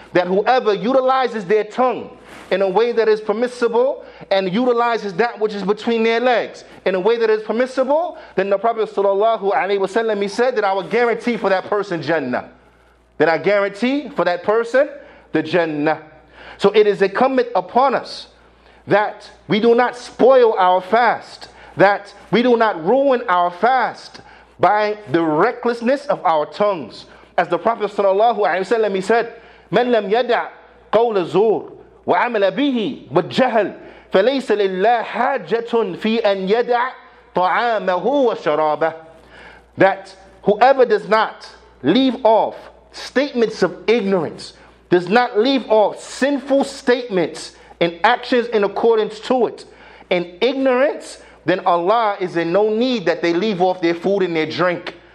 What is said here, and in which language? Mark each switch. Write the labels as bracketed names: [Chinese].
[English] That whoever utilizes their tongue in a way that is permissible and utilizes that which is between their legs in a way that is permissible, then the Prophet sallallahu alaihi wasallam, he said that I will guarantee for that person Jannah. That I guarantee for that person the Jannah. So it is incumbent upon us that we do not spoil our fast, that we do not ruin our fast by the recklessness of our tongues. As the Prophet sallallahu alaihi wasallam, he said, [Arabic] من لم يدع قول الزور وعمل به والجهل فليس لله حاجة في أن يدع طعامه وشرابه. [English] That whoever does not leave off statements of ignorance, does not leave off sinful statements and actions in accordance to it, and ignorance, then Allah is in no need that they leave off their food and their drink.